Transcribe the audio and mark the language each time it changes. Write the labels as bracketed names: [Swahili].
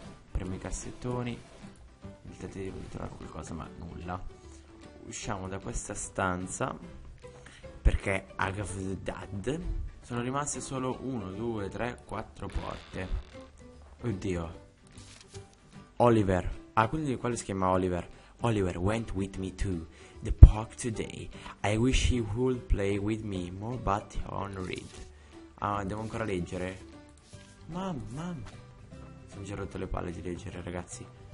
[Italian] Apriamo i cassettoni. Tentate di trovare qualcosa, ma nulla. Usciamo da questa stanza. Perché Agavdad. Sono rimaste solo 1, 2, 3, 4 porte. Oddio. Oliver. Ah, quindi quale si chiama Oliver? [English] Oliver went with me to the park today. I wish he would play with me more, but he won't read. [Italian] Ah, devo ancora leggere? Mamma. Mi sono già rotto le palle di leggere, ragazzi.